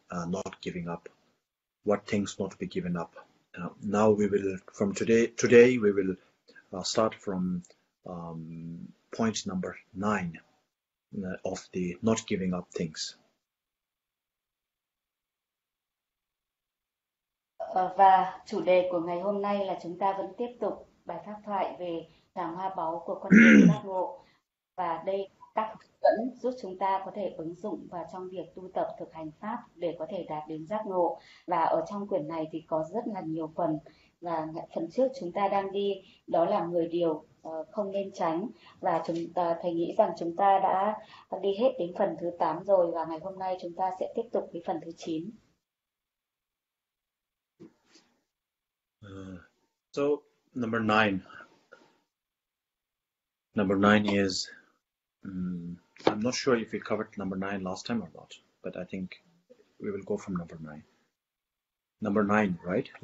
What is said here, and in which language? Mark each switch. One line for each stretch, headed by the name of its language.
English: Not giving up, what things not to be given up. Now we will, from today we will start from point number 9 of the not giving up things.
Vietnamese: Và chủ đề của ngày hôm nay là chúng ta vẫn tiếp tục bài pháp thoại về tràng hoa báu của con đường giác ngộ, và đây các dẫn giúp chúng ta có thể ứng dụng vào trong việc tu tập thực hành pháp để có thể đạt đến giác ngộ. Và ở trong quyển này thì có rất là nhiều phần, và phần trước chúng ta đang đi đó là 10 điều không nên tránh, và chúng ta thầy nghĩ rằng chúng ta đã đi hết đến phần thứ 8 rồi, và ngày hôm nay chúng ta sẽ tiếp tục với phần thứ 9.
English: So number nine is I'm not sure if we covered number nine last time or not, but I think we will go from number nine, right?